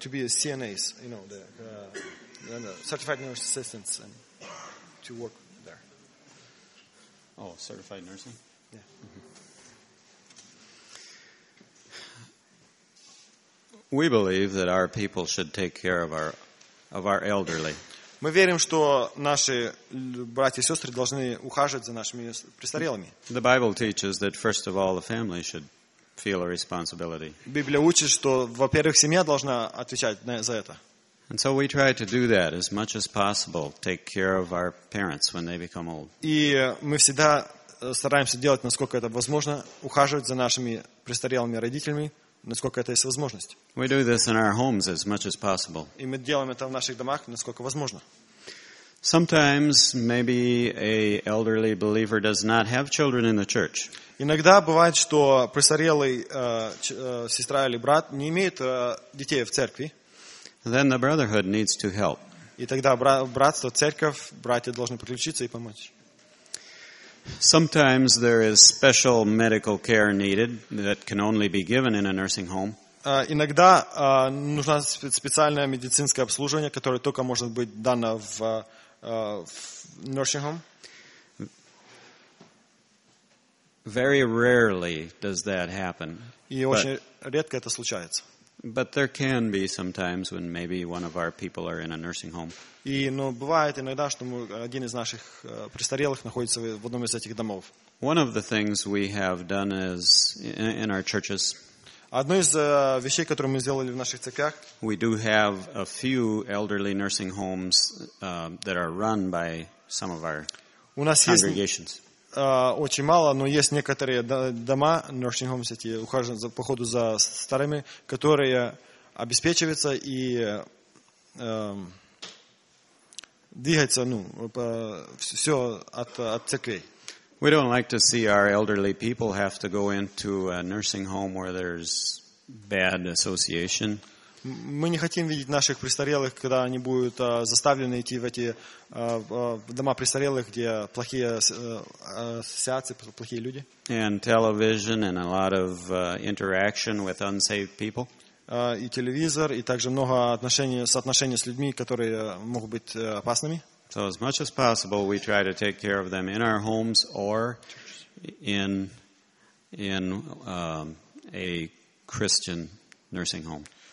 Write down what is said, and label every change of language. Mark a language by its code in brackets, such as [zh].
[en] To be a CNAs, you know, the certified nurse assistants and to work there. Oh, certified nursing? Yeah. Mm-hmm. We believe that our people should take care of our elderly. [ru] Мы верим, что наши братья и сестры должны ухаживать за нашими престарелыми. [en] The Bible teaches that first of all the family should feel a responsibility. [ru] Библия учит, что во-первых, семья должна отвечать за это. [en] And so we try to do that as much as possible, take care of our parents when they become old. [ru] И мы всегда стараемся делать насколько это возможно, ухаживать за нашими престарелыми родителями. Насколько это есть возможность. [en] We do this in our homes as much as possible. [ru] И мы делаем это в наших домах, насколько возможно. [en] Sometimes maybe a elderly believer does not have children in the church. [ru] Иногда бывает, что престарелый сестра или брат не имеет детей в церкви. [en] Then the brotherhood needs to help. [ru] И тогда братство, церковь, братья должны подключиться и помочь. [en] Sometimes there is special medical care needed that can only be given in a nursing home. [ru] Иногда нужно специальное медицинское обслуживание, которое только может быть дано в nursing home. [en] Very rarely does that happen. [ru] И очень редко это случается. [en] But there can be sometimes when maybe one of our people are in a nursing home. [ru] И, но бывает иногда, что один из наших престарелых находится в одном из этих домов. [en] One of the things we have done is in our churches. [ru] Одно из вещей, которые мы сделали в наших церквях. [en] We do have a few elderly nursing homes that are run by some of our congregations. [ru] Очень мало, но есть некоторые дома, nursing homes, эти ухаживают по ходу за старыми, которые обеспечиваются и двигаться, ну, по всё от церквей. [en] We don't like to see our elderly people have to go into a nursing home where there's bad association. [ru] Мы не хотим видеть наших престарелых, когда они будут заставлены идти в эти дома престарелых, где плохие ассоциации, плохие люди. [en] And television and a lot of interaction with unsaved people. [ru] И телевизор, и также много соотношений с людьми, которые могут быть опасными. [en] So as much as possible, we try to take care of them in our homes or in a Christian nursing home.